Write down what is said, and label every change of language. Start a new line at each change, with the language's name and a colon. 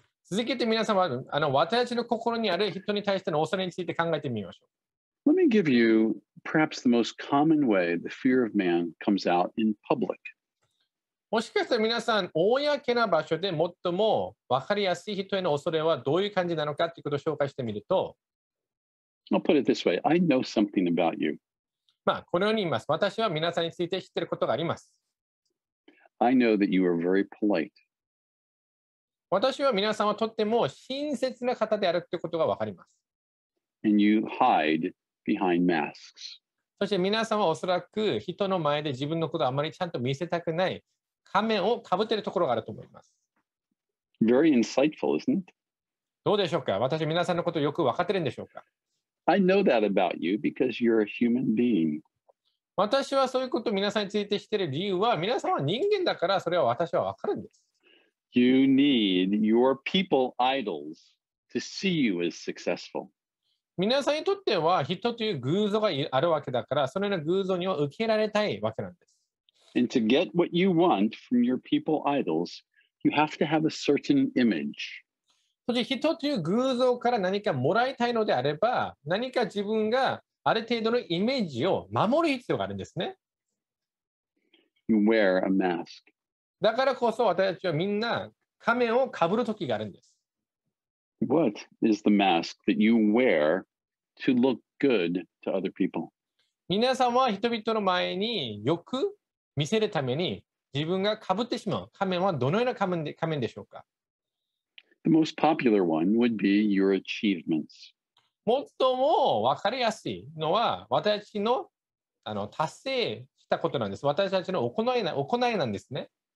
Japanese: 続けて皆様、私たちの心にある人に対しての恐れについて考えてみましょう。
English: Let me give you perhaps the most common way the fear of man comes out in public.
Japanese: もしかしたら皆さん、公な場所で最も分かりやすい人への恐れはどういう感じなのかということを紹介してみると。
English: I'll put it this way. I know something about you.
Japanese: まあ、このように言います。私は皆さんについて知っていることがあります。
English: I know that you are very polite.
Japanese: 私は皆さんはとっても親切な方であるということが分かります。
English: And you hide behind masks.
Japanese: そして皆さんはおそらく人の前で自分のことをあまりちゃんと見せたくない。仮面をかぶっているところがあると思います。
English: Very insightful, isn't it?
Japanese: どうでしょうか。私皆さんのことよく分かってるんでしょうか。
English: I know that about you because you're a human being.
Japanese: 私はそういうことを皆さんについて知っている理由は、皆さんは人間だからそれは私は分かるんです。
English: You need your people idols to see you as successful.
Japanese: 皆さんにとっては人という偶像があるわけだから、それの偶像には受け入れられたいわけなんです。
English: And to get what you want from your people idols, you have to have a certain image.
Japanese: そして人という偶像から何かもらいたいのであれば、何か自分がある程度のイメージを守る必要があるんですね。
English: You wear a mask.
Japanese: だからこそ私たちはみんな仮面をかぶる時があるんです。
English: What is the mask that you wear to look good to other people?
Japanese: 皆さんは人々の前によく見せるために自分が被ってしまう仮面はどのような仮面でしょうか。
English: The most popular one would be your achievements.
Japanese: 最も分かりやすいのは私たち の達成したことなんです。私たちの行いなんですね。